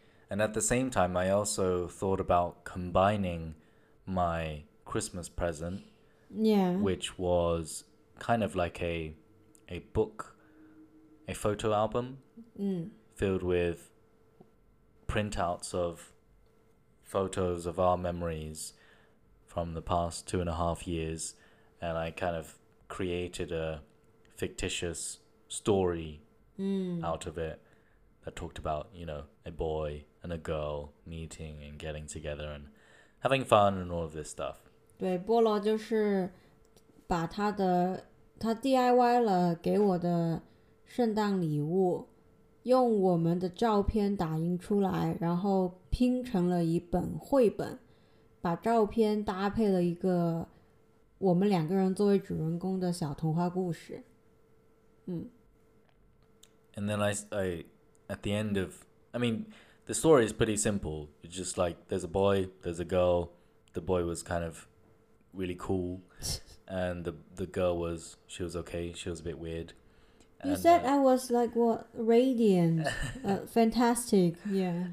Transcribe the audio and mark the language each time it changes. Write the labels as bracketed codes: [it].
[en] And at the same time, I also thought about combining my Christmas present, which was kind of like a book, a photo album filled with printouts of photos of our memories from the past 2.5 years. And I kind of created a fictitious story out of it that talked about, you know, a boy and a girl meeting and getting together and having fun and all of this stuff. [zh] 对，菠萝就是把他 DIY 了给我的圣诞礼物，用我们的照片打印出来，然后拼成了一本绘本，把照片搭配了一个我们两个人作为主人公的小童话故事。 [en] And then I at the end of, I mean, the story is pretty simple. It's just like, there's a boy, there's a girl. The boy was kind of really cool. And the girl was, she was okay. She was a bit weird. You said I was like, what, radiant, fantastic, yeah.